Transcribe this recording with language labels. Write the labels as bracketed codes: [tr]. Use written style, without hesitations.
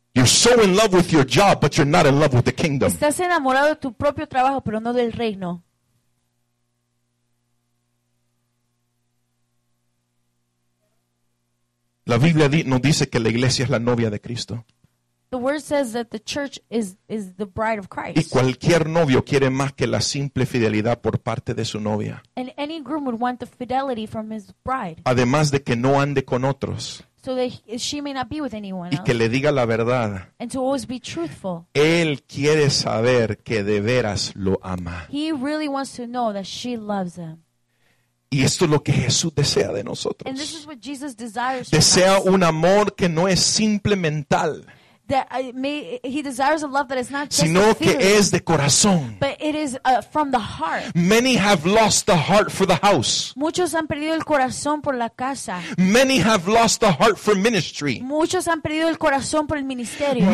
[en] You're so in love with your job, but you're not in love with the kingdom. [es] Estás enamorado de tu propio trabajo, pero no del reino. La Biblia nos dice que la iglesia es la novia de Cristo. [en] The word says that the church is the bride of Christ. [es] Y cualquier novio quiere más que la simple fidelidad por parte de su novia. [en] And any groom would want the fidelity from his bride. [es] Además de que no ande con otros. [en] so that she may not be with anyone else. [es] Y que le diga la verdad. [en] And to always be truthful. [es] Él quiere saber que de veras lo ama. [en] He really wants to know that she loves him. [es] Y esto es lo que Jesús desea de nosotros. [en] And this is what Jesus desires from [es] desea [en] us. [es] Un amor que no es simple mental. [en] That he desires a love that is not just [es] sino [en] a feeling, [es] que es de corazón. [en] But it is from the heart. Many have lost the heart for the house. [es] Muchos han perdido el corazón por la casa. [en] Many have lost the heart for ministry. [es] Muchos han perdido el corazón por el ministerio.